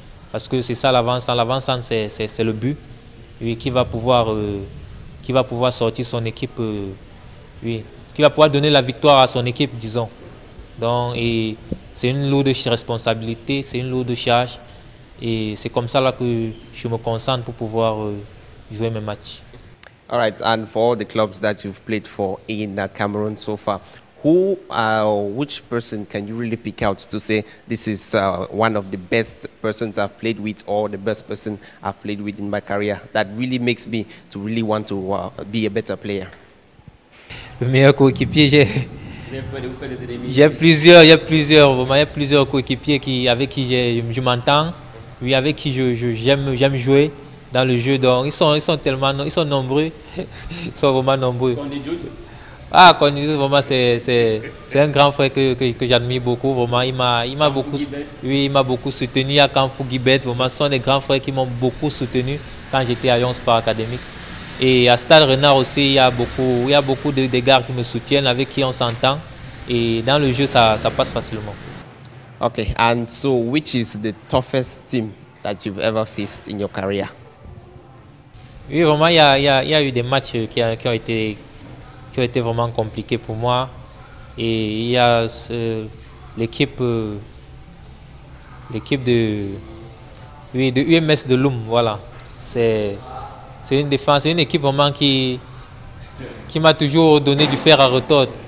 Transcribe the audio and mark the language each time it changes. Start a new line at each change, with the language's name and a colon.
French: Parce que c'est ça l'avancement. L'avancement, c'est le but. Oui, qui va pouvoir sortir son équipe. Oui, qui va pouvoir donner la victoire à son équipe, disons. Donc, c'est une lourde responsabilité, c'est une lourde charge. Et c'est comme ça là que je me concentre pour pouvoir jouer mes matchs.
English: All right, and for all the clubs that you've played for in Cameroon so far, which person can you really pick out to say this is one of the best persons I've played with or the best person I've played with in my career that really makes me to really want to be a better player?
French: Le meilleur coéquipier, j'ai plusieurs coéquipiers avec qui je m'entends, oui, avec qui j'aime jouer dans le jeu. Donc ils sont tellement, ils sont nombreux. Ils sont vraiment nombreux. Ah, Cornelius, vraiment, c'est un grand frère que j'admire beaucoup. Vraiment, il m'a beaucoup soutenu à Kanfou Guibert. Vraiment, ce sont des grands frères qui m'ont beaucoup soutenu quand j'étais à Lyon Sport Académique. Et à Stade Renard aussi, il y a beaucoup de gars qui me soutiennent, avec qui on s'entend. Et dans le jeu, ça passe facilement.
English: Ok, and so which is the toughest team that you've ever faced in your career?
French: Oui, vraiment, il y a eu des matchs qui ont été vraiment compliqués pour moi. Et il y a l'équipe de UMS de Loum, voilà. C'est une défense, c'est une équipe vraiment qui m'a toujours donné du fer à retordre.